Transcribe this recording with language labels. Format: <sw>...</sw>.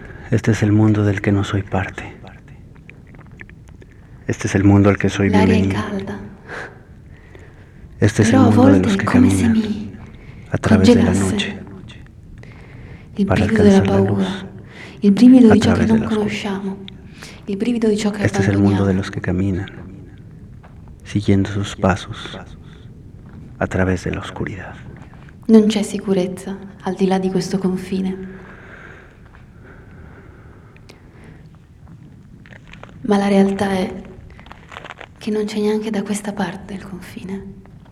<es>Este es el mundo del que no soy parte. Este es el mundo al que soy bienvenido. Este</es> <it>però</it> <es>es el mundo</es> <it>a volte</it> <es>de los que camina a través de la noche.</es> <it>Il brivido della paura, il brivido di ciò che non conosciamo, il brivido di ciò che</it> <es>este es el mundo de los que caminan siguiendo sus pasos a través de la oscuridad.</es> <it>Non c'è sicurezza al di là di questo confine. Ma la realtà è che non c'è neanche da questa parte il confine.</it>